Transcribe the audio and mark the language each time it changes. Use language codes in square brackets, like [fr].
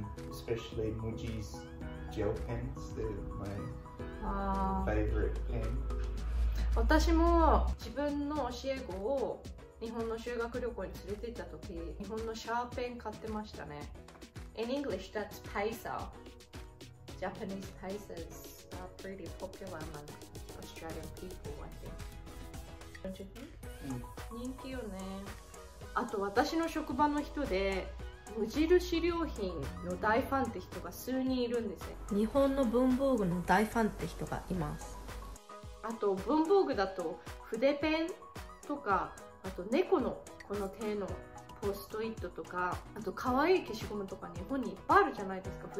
[en] Especially Muji's gel pens. They're my favorite pen. [ja] 私も自分の教え子を日本の修学旅行に連れて行った時、日本のシャーペン買ってましたね。 [en] In English, that's Pacer. Japanese Pacers are pretty popular among Australian people, I think. Don't you think? [ja] 人気よね。あと私の職場の人で無印良品の大ファンって人が数人いるんですね。日本の文房具の大ファンって人がいます。あと文房具だと筆ペンとか、あと猫のこの手のポストイットとか、あと可愛い消しゴムとか日本にいっぱいあるじゃないですか。